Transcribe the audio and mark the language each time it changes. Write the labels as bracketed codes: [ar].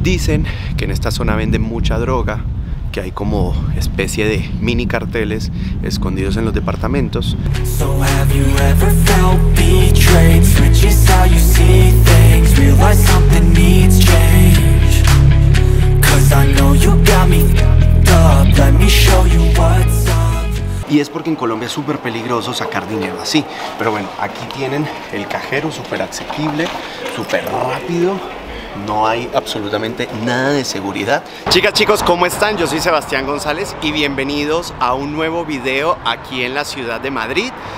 [es] Dicen que en esta zona venden mucha droga, que hay como especie de mini carteles escondidos en los departamentos. [en] So have you ever felt betrayed? Switches how you see things. Realize something needs change. Cause I know you got me fucked up. Let me show you what's up. [es] Y es porque en Colombia es súper peligroso sacar dinero así. Pero bueno, aquí tienen el cajero súper accesible, súper rápido. No hay absolutamente nada de seguridad. Chicas, chicos, ¿cómo están? Yo soy Sebastián González y bienvenidos a un nuevo video aquí en la ciudad de Madrid.